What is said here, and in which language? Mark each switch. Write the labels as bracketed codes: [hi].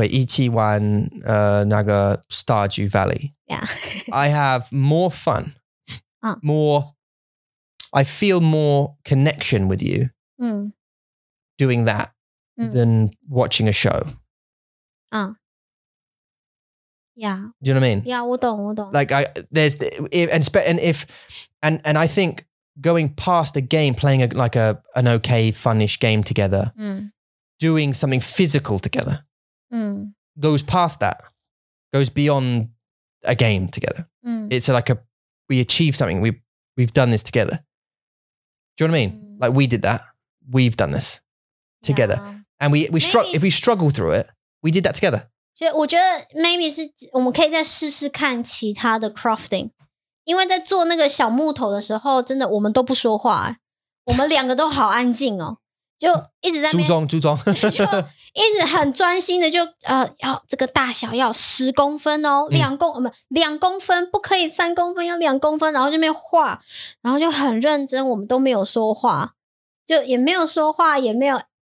[zh] 一个小的椅，这么小的椅子要一个小时。对对对，但是如果我跟你会一起玩那个 [en] Stardew Valley, yeah. I have more fun, I feel more connection with you. Doing that than watching a show. Yeah. Do you know what I mean? Yeah, [zh] 我懂。 [en] Like I think going past a game, playing an okay, funnish game together, doing something physical together, goes past that, goes beyond a game together. It's like we achieve something. We've done this together. Do you know what I mean? Like we did that. We've done this. Together, yeah. And we struggle. If we struggle through it, we did that together. [zh] 所以我觉得 maybe 是我们可以再试试看其他的 crafting, 因为在做那个小木头的时候，真的我们都不说话，我们两个都好安静哦，就一直在那边组装，就一直很专心的，就要这个大小要10公分哦，2公分，2公分不可以，3公分要2公分，然后这边画，然后就很认真，我们都没有说话，就也没有说话，也没有。